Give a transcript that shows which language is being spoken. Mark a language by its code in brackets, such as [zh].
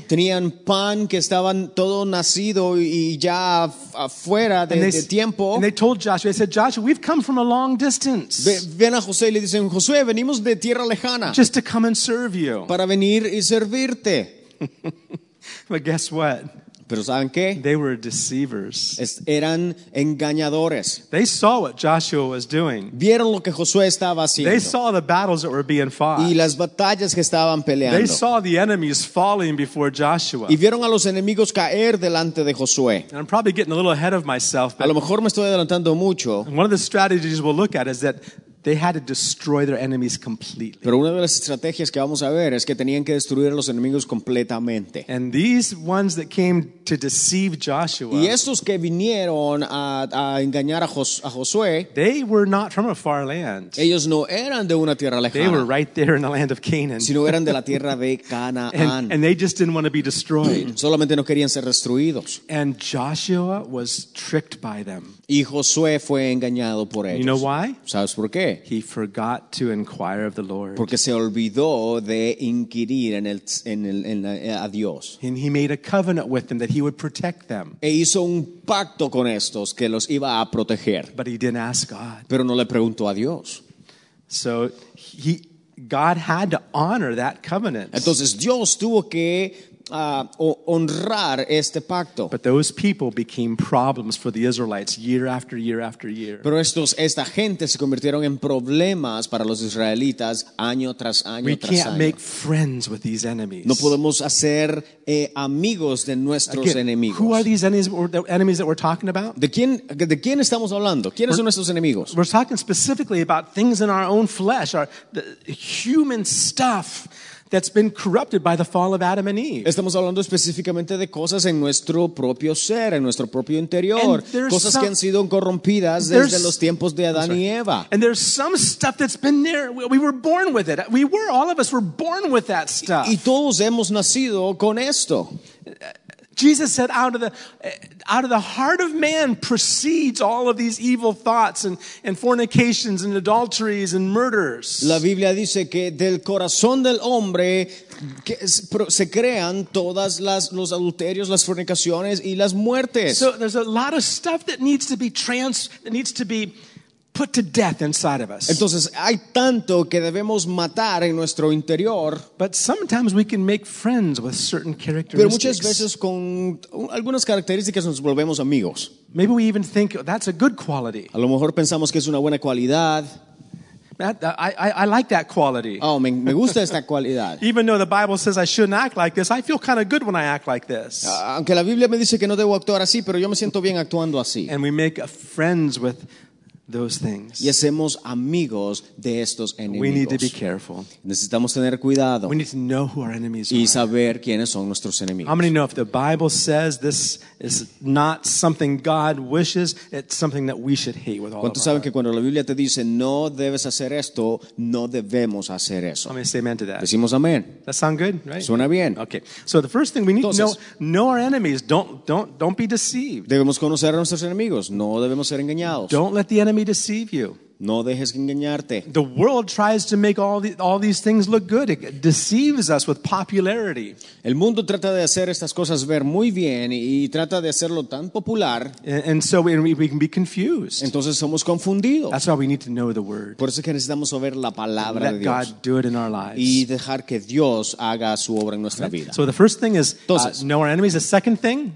[es] Tenían pan que estaban todo nacido y ya afuera de tiempo. [en] And they told Joshua, they said, "Joshua, we've come from a long distance." [es] Ven a José y le dicen, "Josué, venimos de tierra lejana." [en] Just to come and serve you. [es] Para venir y servirte. [en] But guess what? [es] Pero ¿saben qué? [en] They were deceivers. [es] Eran engañadores. [en] They saw what Joshua was doing. [es] Vieron lo que Josué estaba haciendo. [en] They saw the battles that were being fought. [es] Y las batallas que estaban peleando. [en] They saw the enemies falling before Joshua. [es] Y vieron a los enemigos caer delante de Josué. [en] And I'm probably getting a little ahead of myself, but [es] a lo mejor me estoy adelantando mucho. [en] One of the strategies we'll look at is that they had to destroy their enemies completely. [es] Pero una de las estrategias que vamos a ver es que tenían que destruir a los enemigos completamente. [en] And these ones that came to deceive Joshua. [es] Y estos que vinieron a engañar a Josué. [en] They were not from a far land. [es] Ellos no eran de una tierra lejana. [en] They were right there in the land of Canaan. [es] Sino eran de la tierra de Canaán. [en] And they just didn't want to be destroyed. [es] Solamente no querían ser destruidos. [en] And Joshua was tricked by them. [es] Y Josué fue engañado por ellos. [en] You know why? [es] ¿Sabes por qué? [en] He forgot to inquire of the Lord. [es] Porque se olvidó de inquirir a Dios. [en] And he made a covenant with them that he would protect them. [es] E hizo un pacto con estos que los iba a proteger. [en] But he didn't ask God. [es] Pero no le preguntó a Dios. [en] So God had to honor that covenant. [es] Entonces Dios tuvo que honrar este pacto. [en] But those people became problems for the Israelites year after year after year. [es] Pero esta gente se convirtieron en problemas para los israelitas año tras año. [en] We can't make friends with these enemies. [es] No podemos hacer amigos de nuestros enemigos. [en] Who are these enemies that we're talking about? [es] De quién estamos hablando? ¿Quiénes son nuestros enemigos? [en] We're talking specifically about things in our own flesh, our human stuff. That's been corrupted by the fall of Adam and Eve. [es] Estamos hablando específicamente de cosas en nuestro propio ser, en nuestro propio interior, cosas [en] some, [es] que han sido corrompidas desde los tiempos de Adán y Eva. [en] And there's some stuff that's been there. We were born with it. All of us were born with that stuff. [es] Y todos hemos nacido con esto. [en] Jesus said, out of the heart of man proceeds all of these evil thoughts and fornications and adulteries and murders. [es] La Biblia dice que del corazón del hombre se crean todas los adulterios, las fornicaciones y las muertes. [en] So there's a lot of stuff that needs to be put to death inside of us. [es] Entonces, hay tanto que debemos matar en nuestro interior. [en] But sometimes we can make friends with certain characteristics. [es] Pero muchas veces con algunas características nos volvemos amigos. [en] Maybe we even think that's a good quality. [es] A lo mejor pensamos que es una buena cualidad. [en] I like that quality. [es] Oh, me gusta esta cualidad. [en] Even though the Bible says I shouldn't act like this, I feel kind of good when I act like this. [es] Aunque la Biblia me dice que no debo actuar así, pero yo me siento bien actuando así. [en] And we make friends with those things. [es] Y hacemos amigos de estos enemigos. [en] We need to be careful. [es] Necesitamos tener cuidado. [en] We need to know who our enemies [es] y saber quiénes son nuestros enemigos. [en] How many know if the Bible says this is not something God wishes, it's something that we should hate with all of us? [es] ¿Cuántos saben que cuando la Biblia te dice no debes hacer esto, no debemos hacer eso? [en] Let me say amen to that. [es] Decimos amén. [en] That sound good, right? [es] Suena bien. [en] Okay. So the first thing we need [es] Entonces, [en] to know our enemies. Don't be deceived. [es] Debemos conocer a nuestros enemigos. No debemos ser engañados. [en] Don't let the enemy deceive you. [es] No dejes engañarte. [en] The world tries to make all these things look good. It deceives us with popularity. [es] El mundo trata de hacer estas cosas ver muy bien y trata de hacerlo tan popular. [en] And so we can be confused. [es] Entonces somos confundidos. [en] That's why we need to know the word. [es] Por eso es que necesitamos saber la palabra de Dios. [en] Let God do it in our lives. [es] Y dejar que Dios haga su obra en nuestra vida. [en] So the first thing is know our enemies. The second thing.